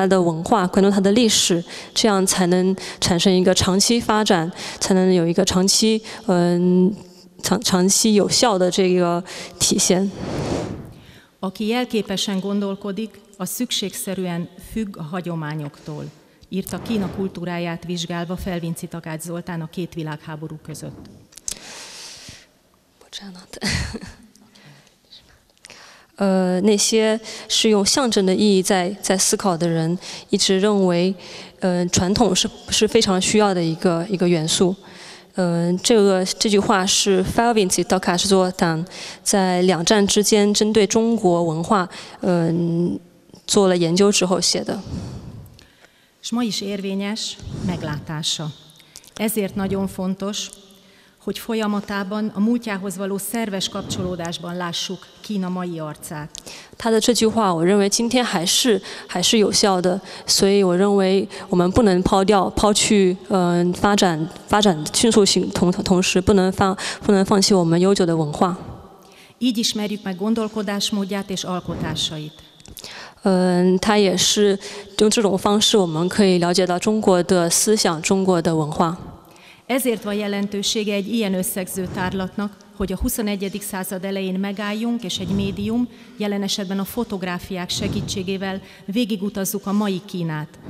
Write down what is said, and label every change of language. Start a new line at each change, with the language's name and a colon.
Chinese: 我认为一个有悠久历史的民族，有悠久文化的一个国家，需要更多的关注它的文化，关注它的历史，这样才能产生一个长期发展，才能有一个长期长期有效的这个体现。
Hungarian: Aki jelképesen gondolkodik, az szükségszerűen függ a hagyományoktól, írta Kína kultúráját vizsgálva Felvinczi Takács Zoltán a két világháború között. Bocsánat.
Chinese: 那些是用象征的意义在思考的人，一直认为，传统是非常需要的一个元素。这句话是 Felvinczi Takács Zoltán 在两战之间针对中国文化，做了研究之后写的。
Hungarian: És ma is érvényes meglátása. Ezért nagyon fontos, hogy folyamatában a múltjához való szerves kapcsolódásban lássuk Kína mai arcát.
Chinese: 他的这句话，我认为今天还是有效的，所以我认为我们不能抛去，发展迅速性同时不能放弃我们悠久的文化。
Hungarian: Így ismerjük meg gondolkodásmódját és alkotásait.
Chinese: 他也是用这种方式，我们可以了解到中国的思想、中国的文化。
Hungarian: Ezért van jelentősége egy ilyen összegző tárlatnak, hogy a 21. század elején megálljunk, és egy médium, jelen esetben a fotográfiák segítségével végigutazzuk a mai Kínát.